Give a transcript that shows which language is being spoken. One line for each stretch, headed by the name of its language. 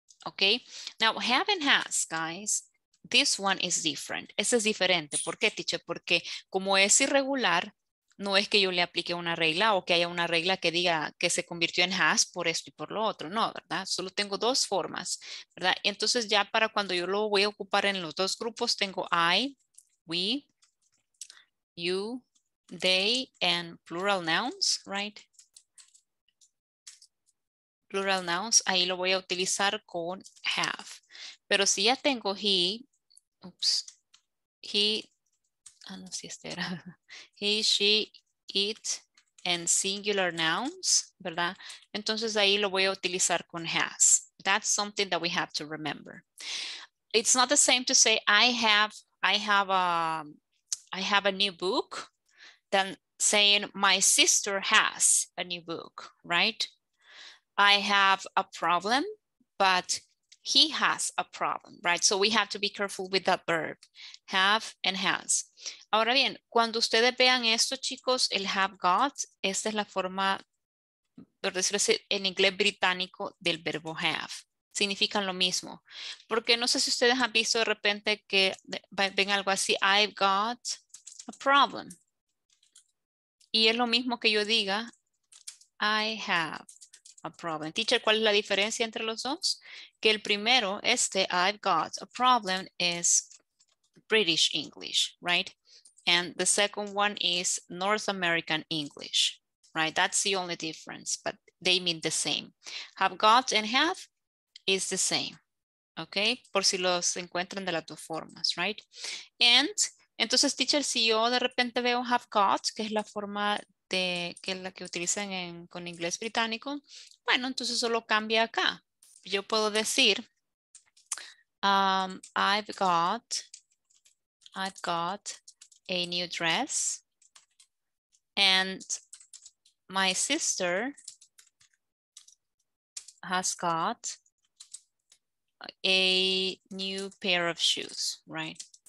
English: Okay, now have and has, guys, this one is different.
Spanish: Ese es diferente. ¿Por qué, teacher? Porque como es irregular, no es que yo le aplique una regla o que haya una regla que diga que se convirtió en has por esto y por lo otro. No, ¿verdad? Solo tengo dos formas, ¿verdad? Entonces ya para cuando yo lo voy a ocupar en los dos grupos, tengo I, we, you, they, and plural nouns, right? Plural nouns, ahí lo voy a utilizar con have. Pero si ya tengo he, oops, he, ah, no sé si este era, he, she, it,
English: and singular nouns, ¿verdad?
Spanish: Entonces ahí lo voy a utilizar con has.
English: That's something that we have to remember. It's not the same to say I have a new book than saying my sister has a new book, right? I have a problem, but he has a problem, right? So we have to be careful with that verb, have and has.
Spanish: Ahora bien, cuando ustedes vean esto, chicos, el have got, esta es la forma, por decirlo así, en inglés británico del verbo have. Significan lo mismo. Porque no sé si ustedes han visto de repente que ven algo así,
English: I've got a problem.
Spanish: Y es lo mismo que yo diga,
English: I have a problem.
Spanish: Teacher, ¿cuál es la diferencia entre los dos? Que el primero, este, I've got a problem, es British English, right?
English: And the second one is North American English, right? That's the only difference, but they mean the same. Have got and have is the same, okay?
Spanish: Por si los encuentran de las dos formas, right? And, entonces, teacher, si yo de repente veo have got, que es la forma de, que es la que utilizan en, con inglés británico, bueno, entonces solo cambia acá. Yo puedo decir,
English: I've got a new dress and my sister has got a new pair of shoes, right?